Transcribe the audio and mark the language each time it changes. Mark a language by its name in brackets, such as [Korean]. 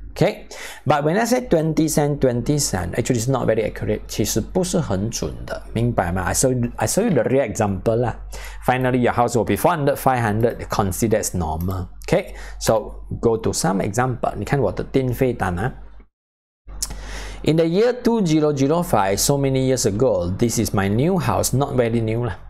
[English] Okay, but when I say 20 cents, 20 cents, actually it's not very accurate. [Chinese] 其实不是很准的，明白吗？ [English] I show you the real example lah. Finally, your house will be 400, 500, considered as normal. Okay, so go to some example. [Chinese] 你看我的电费单啊。 [English] In the year 2005, so many years ago, this is my new house, not very new lah.